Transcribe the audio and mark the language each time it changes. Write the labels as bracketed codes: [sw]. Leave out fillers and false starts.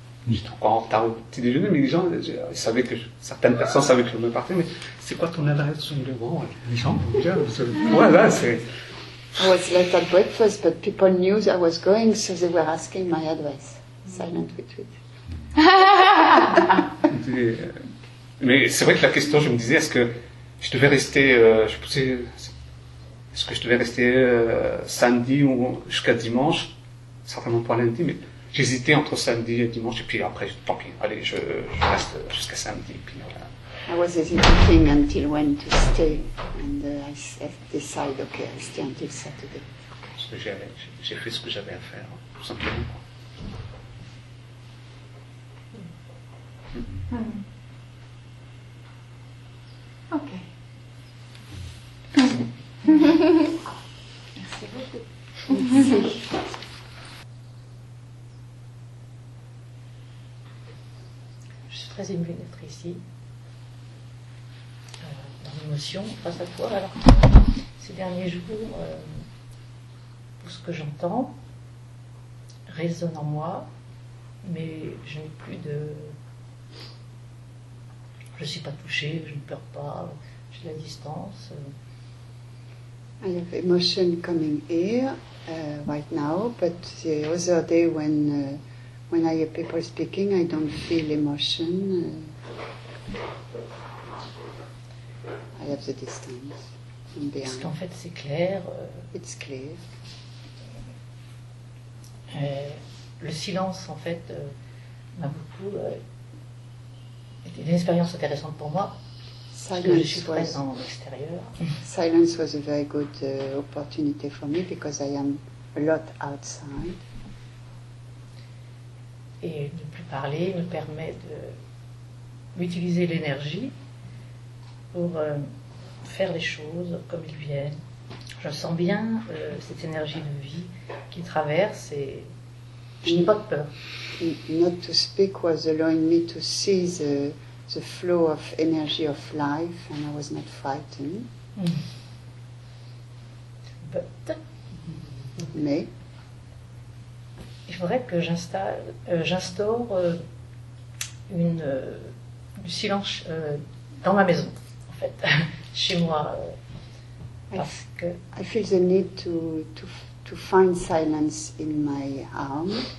[fr] J'étais encore en retard au petit déjeuner, mais les gens ils savaient que certaines personnes savaient que je me partais, mais c'est quoi ton adresse sur le banc? Les gens vont bien, vous savez. Voilà, c'est. [en] I was late at breakfast, but people knew I was going, so they were asking my address. Silent retreat. [fr] Mais c'est vrai que la question, je me disais, est-ce que je devais rester. Je poussais. Est-ce que je devais rester samedi ou jusqu'à dimanche? Certainement pas lundi, mais. J'hésitais entre samedi et dimanche, et puis après, tant pis, allez, je reste jusqu'à samedi, et puis voilà. [en] I was hesitating until when to stay, and I decided, okay, I stay until Saturday. [fr] Parce que j'ai fait ce que j'avais à faire, tout simplement. Mm-hmm. Mm-hmm. [en] Okay. [fr] Merci beaucoup. Merci. Je suis très émue d'être ici, dans l'émotion face à toi. Alors, ces derniers jours, tout ce que j'entends résonne en moi, mais je n'ai plus de. Je ne suis pas touchée, je ne pleure pas, j'ai de la distance. [en] I have emotion coming here right now, but the other day when. When I hear people speaking, I don't feel emotion. I have the distance. I'm behind. [fr] Parce qu'en fait, c'est clair. [en] It's clear. [fr] Le silence, en fait, m'a beaucoup. C'était une expérience intéressante pour moi. [en] Silence [fr] parce que je suis présent en extérieur. [en] Silence was a very good opportunity for me because I am a lot outside. [fr] Et ne plus parler me permet de m'utiliser l'énergie pour faire les choses comme ils viennent. Je sens bien cette énergie de vie qui traverse et je n'ai pas de peur. [en] Not to speak was allowing me to see the flow of energy of life and I was not frightened. But. [fr] Mais. Il faudrait que j'instaure du silence dans ma maison, en fait, chez moi, parce que... [en] I feel the need to find silence in my home.